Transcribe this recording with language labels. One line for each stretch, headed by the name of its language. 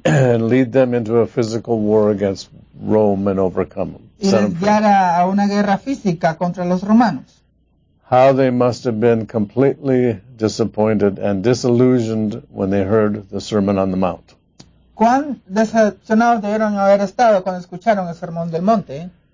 English: And lead them into a physical war against Rome and overcome them.
Spanish: Y les guiara a una guerra física contra los romanos.
English: How they must have been completely disappointed and disillusioned when they heard the Sermon on the Mount.
Spanish: ¿Cuán decepcionados debieron haber estado cuando escucharon el Sermón del Monte?